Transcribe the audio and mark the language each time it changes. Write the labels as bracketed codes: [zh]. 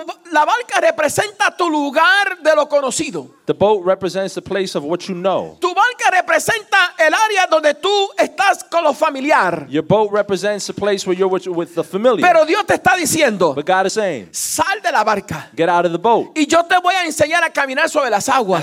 [es] La barca representa tu lugar de lo conocido. [en] The boat represents the place of what you know. [es] Tu barca representa el área donde tú estás con lo familiar. [en] Your boat represents the place where you're with the familiar. [es] Pero Dios te está diciendo, [en] but God is saying, [es] sal de la barca. [en] Get out of the boat. [es] Y yo te voy a enseñar a caminar sobre las aguas.